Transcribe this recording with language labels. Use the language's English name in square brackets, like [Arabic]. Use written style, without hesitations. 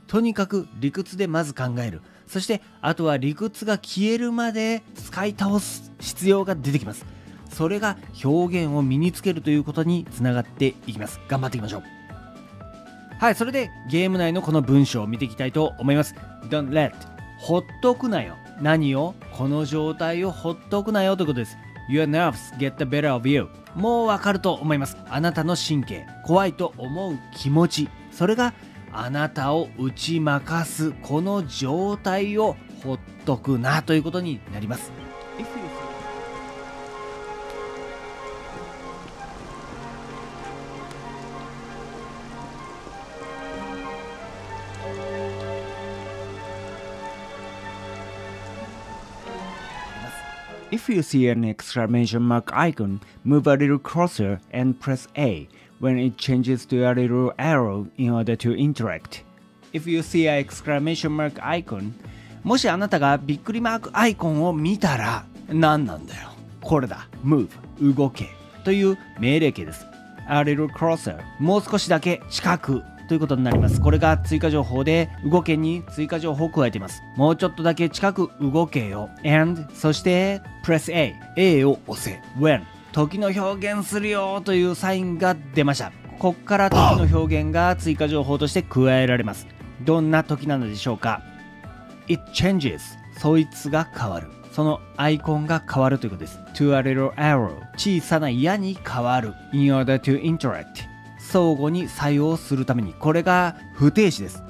[Japanese] とにかく理屈でまず考える、そしてあとは理屈が消えるまで使い倒す必要が出てきます。それが表現を身につけるということにつながっていきます。頑張っていきましょう。はい、それでゲーム内のこの文章を見ていきたいと思います。 [English] Don't let、 [Japanese] ほっとくなよ、何を、この状態をほっとくなよということです。 [English] Your nerves get the better of you、 [Japanese] もうわかると思います。あなたの神経、怖いと思う気持ち、それがあなたを打ち負かす、この状態をほっとくなということになります。 [English] If you see an exclamation mark icon, move a little closer and press A when it changes to a little arrow in order to interact. If you see an exclamation mark icon, [Japanese] もしあなたがびっくりマークアイコンを見たら、何なんだよ。これだ。 [English] Move、 [Japanese] 動けという命令形です。 [English] A little closer、 [Japanese] もう少しだけ近くということになります。これが追加情報で、動けに追加情報を加えています。もうちょっとだけ近く動けよ。 [English] And [Japanese] そして [English] Press A、 [Japanese] A を押せ。 When、 時の表現するよというサインが出ました。ここから時の表現が追加情報として加えられます。どんな時なのでしょうか。 [English] It changes、 [Japanese] そいつが変わる、そのアイコンが変わるということです。 [English] To a little arrow、 [Japanese] 小さな矢に変わる。 [English] In order to interact、 [Japanese] 相互に作用するために、これが不定詞です。